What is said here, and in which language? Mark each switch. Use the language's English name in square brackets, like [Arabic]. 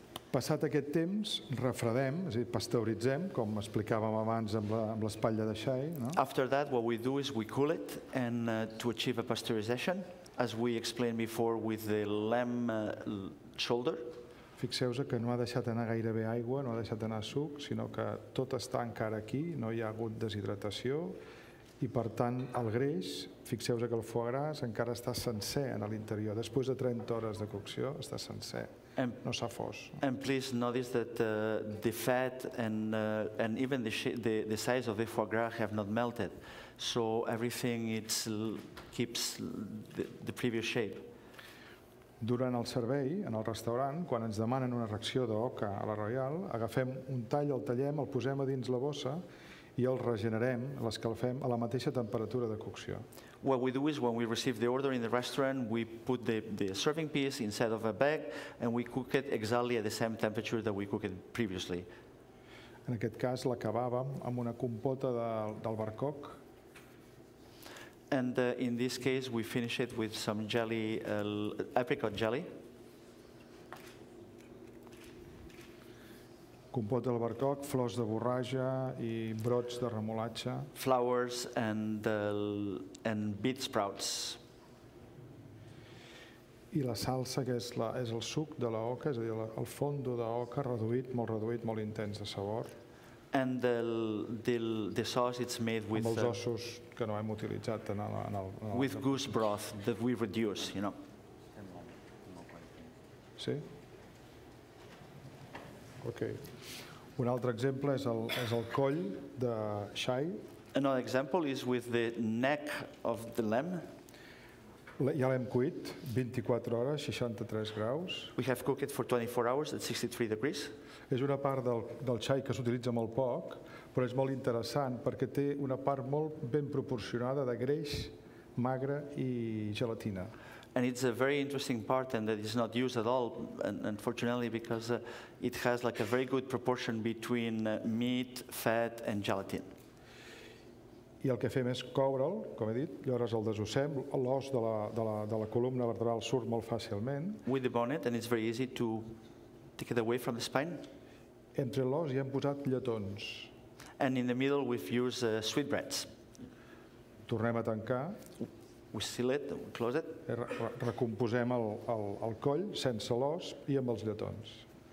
[Catalan] Passat aquest temps, refredem, és a dir, pasteuritzem, com explicàvem abans amb l'espatlla de xai, no? [English] After that, what we do is we cool it and to achieve a pasteurization, as we explained before with the lamb shoulder. [Catalan] Fixeu-vos que no ha deixat anar gairebé aigua, no ha deixat anar suc, sinó que tot està encara aquí, no hi ha hagut deshidratació, i per tant el greix, fixeu-vos que el foie gras encara està sencer en l'interior, després de 30 hores de cocció està sencer, no s'ha fos. [English] And please notice that the fat and even the size of the foie gras have not melted, so everything keeps the previous shape. [Catalan] Durant el servei, en el restaurant, quan ens demanen una reacció d'oca a la Royal, agafem un tall, el tallem, el posem a dins la bossa i el regenerem, l'escalfem a la mateixa temperatura de cocció. [English] What we do is when we receive the order in the restaurant, we put the serving piece inside of a bag and we cook it exactly at the same temperature that we cooked it previously. [Catalan] En aquest cas, l'acabàvem amb una compota d'albercoc. [English] And in this case, we finish it with some jelly, apricot jelly. [Catalan] Compota d'albercoc, flors de borratja i brots de remolatxa. [English] Flowers and beet sprouts. [Catalan] I la salsa, que és el suc de l'oca, és a dir, el fondo d'oca reduït, molt intens de sabor. [English] And the sauce it's made with [Catalan] els ossos que no hem utilitzat en el [English] with goose broth that we reduce, you know. [Catalan] Sí? [English] Okay. [Catalan] Un altre exemple és el coll de xai. [English] Another example is with the neck of the lamb. [Catalan] Ja l'hem cuit 24 hores, 63 graus. [English] We have cooked it for 24 hours at 63 degrees. [Catalan] És una part del xai que s'utilitza molt poc, però és molt interessant perquè té una part molt ben proporcionada de greix, magre i gelatina. [English] And it's a very interesting part and that is not used at all, and unfortunately because it has like a very good proportion between meat, fat and gelatin. [Catalan] I el que fem és coure'l, com he dit, llavors el desossem, l'os de la columna vertebral surt molt fàcilment. [English] With the bonnet and it's very easy to take it away from the spine. [Catalan] Entre l'os hi hem posat lletons. [English] And in the middle we've used sweetbreads. [Catalan] Tornem a tancar. [English] We seal it, we close it. [Catalan] Recomposem el coll sense l'os i amb els lletons.